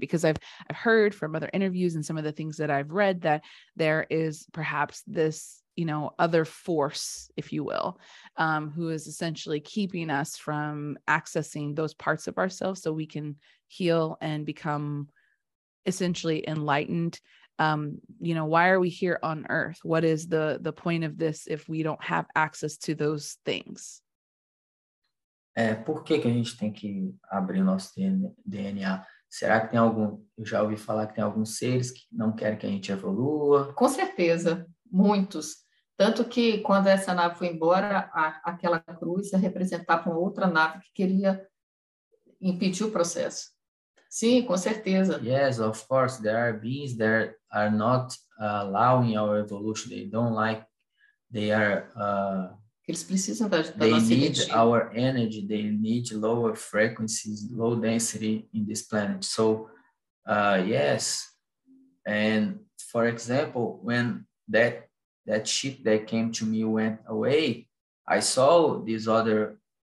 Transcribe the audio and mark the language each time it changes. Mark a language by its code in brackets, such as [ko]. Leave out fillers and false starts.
[en] Because I've heard from other interviews and some of the things that I've read that there is perhaps this, you know, other force, if you will, who is essentially keeping us from accessing those parts of ourselves so we can heal and become essentially enlightened. You know, why are we here on earth? What is the point of this if we don't have access to those things? [pt] Por que que a gente tem que abrir nosso DNA? Será que tem algum, eu já ouvi falar que tem alguns seres que não querem que a gente evolua? Com certeza, muitos. Tanto que quando essa nave foi embora, aquela cruz representava uma outra nave que queria impedir o processo. Sim, com certeza. [en] Yes, of course, there are beings that are not allowing our evolution. They don't like, they are [pt] Eles precisam da nossa energia. [en] They need our energy. They need lower frequencies, low density in this planet. So, yes. And for example, when that ship that came to me went away, I saw this other.